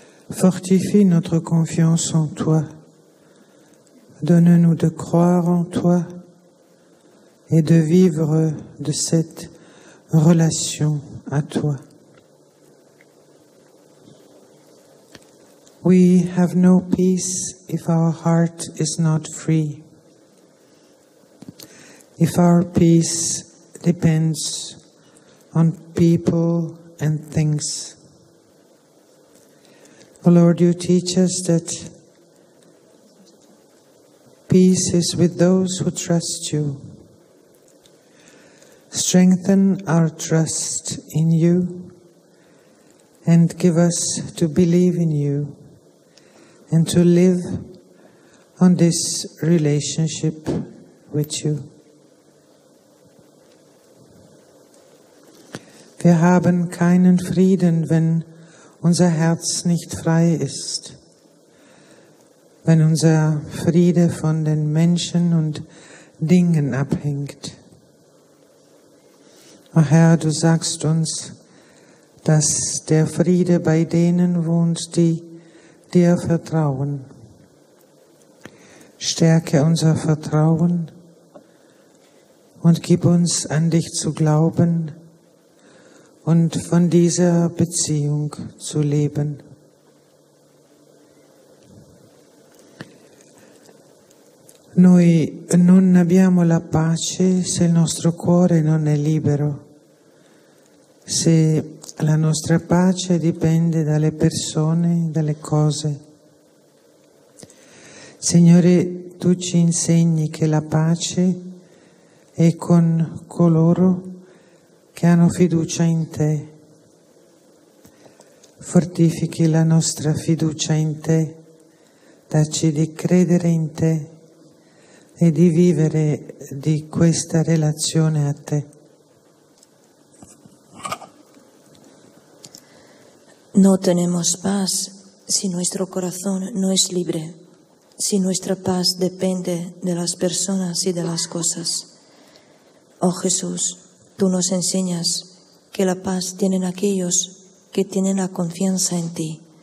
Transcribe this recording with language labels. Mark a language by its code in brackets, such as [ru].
[fr] Fortifie notre confiance en toi. Donne-nous de croire en toi et de vivre de cette relation à toi. [en] We have no peace if our heart is not free, if our peace depends on people and things. O Lord, you teach us that peace is with those who trust you. Strengthen our trust in you and give us to believe in you and to live on this relationship with you. [de] Wir haben keinen Frieden, wenn unser Herz nicht frei ist. Wenn unser Friede von den Menschen und Dingen abhängt. O Herr, du sagst uns, dass der Friede bei denen wohnt, die dir vertrauen. Stärke unser Vertrauen und gib uns an dich zu glauben und von dieser Beziehung zu leben. [it] Noi non abbiamo la pace se il nostro cuore non è libero, se la nostra pace dipende dalle persone, dalle cose. Signore, tu ci insegni che la pace è con coloro che hanno fiducia in te. Fortifichi la nostra fiducia in te, dacci di credere in te e di vivere di questa relazione a te. [es] No tenemos paz si nuestro corazón no es libre, si nuestra paz depende de las personas y de las cosas. Oh Jesús, tú nos enseñas que la paz tienen aquellos que tienen la confianza en ti.